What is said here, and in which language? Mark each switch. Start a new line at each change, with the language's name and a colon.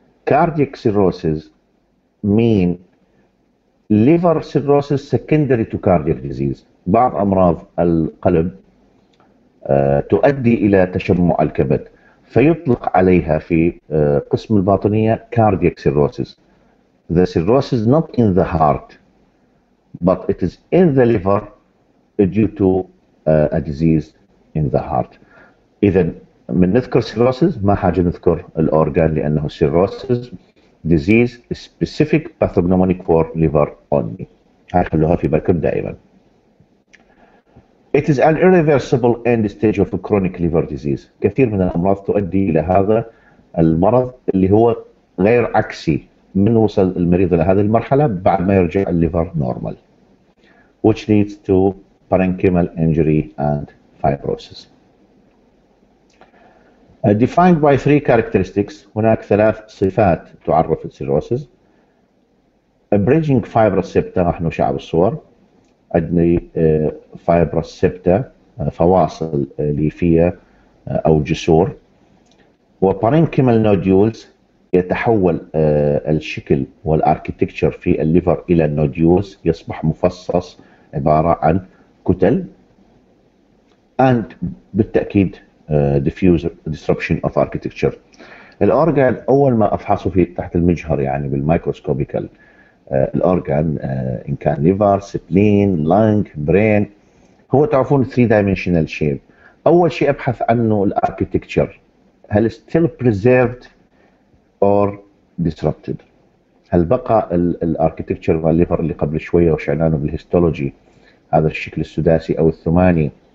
English: Cardiac cirrhosis mean liver cirrhosis secondary to cardiac disease.
Arabic: بعض أمراض القلب تؤدي إلى تشمع الكبد فيطلق عليها في قسم الباطنية cardiac cirrhosis.
English: The cirrhosis not in the heart but it is in the liver due to a disease in the heart.
Arabic: إذا من نذكر cirrhosis ما حاجة نذكر الأورغان لأنه
English: cirrhosis disease specific pathognomonic for liver only.
Arabic: هاي خلوها في بالكم دائما.
English: It is an irreversible end stage of a chronic liver disease.
Arabic: كثير من الأمراض تؤدي إلى هذا المرض اللي هو غير عكسي من وصل المريض إلى هذه المرحلة بعد ما يرجع الليفر normal.
English: Which leads to parenchymal injury and fibrosis. Defined by three characteristics,
Arabic: هناك ثلاث صفات تعرف السيروسيس.
English: A bridging fibrous septa,
Arabic: نحن شعب الصور. أدني fibrous septa, فواصل ليفية أو جسور. وparenchymal nodules, يتحول الشكل والarchitecture في الليفر إلى nodules, يصبح مفصص عبارة عن كتل.
English: And
Arabic: بالتأكيد
English: diffuse disruption of architecture.
Arabic: الأورغان أول ما أفحصه في تحت المجهر يعني بالميكروسكوبيكال الأورغان إن كان ليفر، سبلين، لانج، برين هو تعرفون
English: 3 dimensional shape.
Arabic: أول شيء أبحث عنه الأركيتكتشر هل
English: still preserved or disrupted؟
Arabic: هل بقى الأركيتكتشر والليفر اللي قبل شوية وشعنانه بالهيستولوجي هذا الشكل السداسي أو الثماني